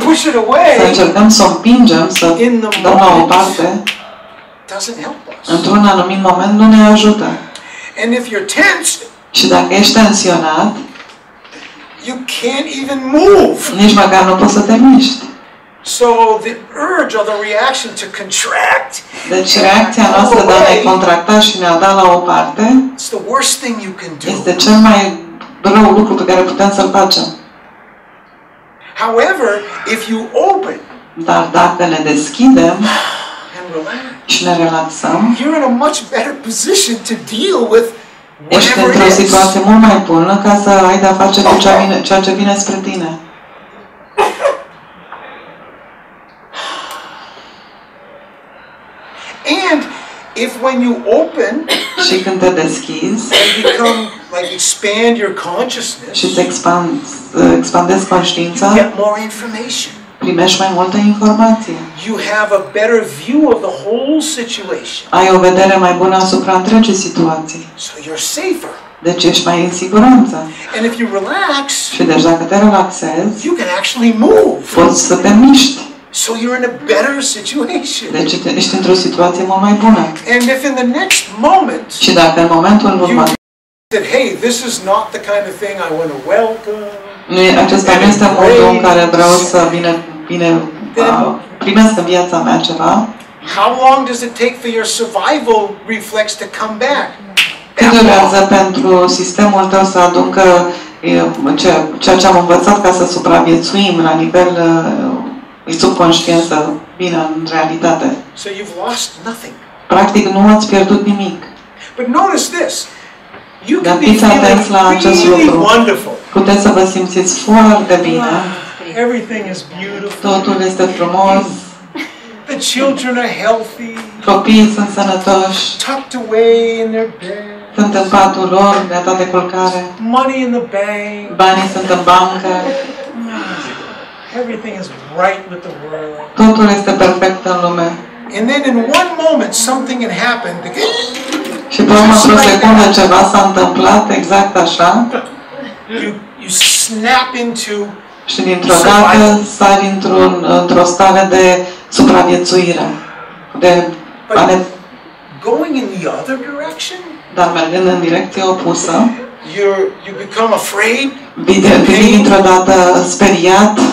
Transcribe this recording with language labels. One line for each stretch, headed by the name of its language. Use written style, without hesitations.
English: Push it away.
Romanian: Să încercăm să o împingem, să dăm la o parte.
English: Doesn't help us.
Romanian: Într-un anumit moment nu ne ajută.
English: And if you're tensed,
Romanian: și dacă ești tensionat,
English: you can't even move.
Romanian: Nici măcar nu poți să te miști.
English: So the urge or the reaction to contract.
Romanian: Deci reacția noastră de a ne contracta și ne-a dat la o parte.
English: It's the worst thing you can do.
Romanian: Este cel mai rău lucru pe care putem să-l facem.
English: However, if you open,
Romanian: dar dacă ne deschidem și ne relaxăm,
English: you're in a much better position to deal with
Romanian: ești într-o situație mult mai bună ca să ai de-a face cu ceea ce vine spre tine.
English: And if when you open,
Romanian: și când te deschizi,
English: become, like, expand your consciousness,
Romanian: și îți expandezi conștiința,
English: you get more information.
Romanian: Primești mai multă informație.
English: You have a better view of the whole situation.
Romanian: Ai o vedere mai bună asupra întregii situații.
English: So you're safer.
Romanian: Deci ești mai în siguranță.
English: And if you relax,
Romanian: și deci dacă te relaxezi,
English: you can actually move.
Romanian: Poți să te miști.
English: So you're in a better situation.
Romanian: Deci ești într-o situație mult mai bună.
English: And if in the next moment,
Romanian: și dacă în momentul următor,
English: said, hey, this is not the kind of thing I want to welcome.
Romanian: Nu, acesta nu este modul în care vreau să bine primesc în viața mea ceva.
English: How long does it take for your survival reflex to come back?
Romanian: Cât durează pentru sistemul tău să aducă ceea ce am învățat ca să supraviețuim la nivel subconștient să vină în realitate?
English: So you've lost nothing.
Romanian: Practic nu ați pierdut nimic.
English: But notice this. You can be wonderful.
Romanian: Puteți să vă simțiți foarte bine.
English: Everything is beautiful.
Romanian: Totul este frumos.
English: The children are healthy.
Romanian: Copiii sunt sănătoși.
English: Tucked away in their beds.
Romanian: Sunt în patul lor, gata de culcare.
English: Money in the bank.
Romanian: Banii sunt în bancă.
English: Everything is right with the world.
Romanian: Totul este perfect în lume.
English: And then in one moment something can happen.
Romanian: Și pe urmă, într-o secundă, ceva s-a întâmplat exact așa.
English: You snap into
Romanian: și dintr-o dată sari într-o stare de supraviețuire.
English: Going in the other direction?
Romanian: Dar mergând în direcția opusă,
English: you become afraid,
Romanian: devii într-o dată speriat,